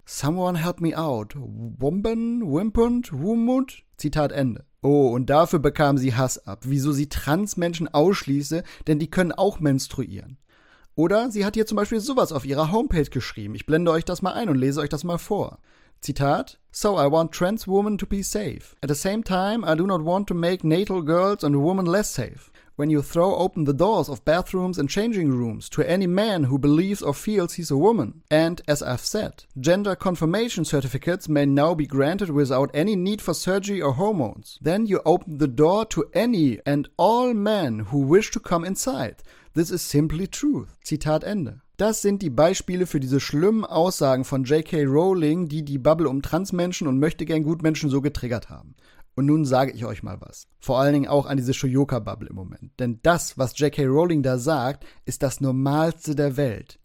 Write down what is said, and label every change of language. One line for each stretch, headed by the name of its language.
English: Someone help me out. Womben, wimpund, wumund."
German: Zitat Ende. Oh, und dafür bekam sie Hass ab, wieso sie Transmenschen ausschließe, denn die können auch menstruieren. Oder sie hat hier zum Beispiel sowas auf ihrer Homepage geschrieben. Ich blende euch das mal ein und lese euch das mal vor.
English: Zitat, "So I want trans women to be safe. At the same time, I do not want to make natal girls and women less safe. When you throw open the doors of bathrooms and changing rooms to any man who believes or feels he's a woman. And, as I've said, gender confirmation certificates may now be granted without any need for surgery or hormones. Then you open the door to any and all men who wish to come inside. This is simply truth."
German: Zitat Ende. Das sind die Beispiele für diese schlimmen Aussagen von J.K. Rowling, die die Bubble um Transmenschen und Möchtegern-Gutmenschen so getriggert haben. Und nun sage ich euch mal was. Vor allen Dingen auch an diese Shoyoka-Bubble im Moment. Denn das, was J.K. Rowling da sagt, ist das Normalste der Welt.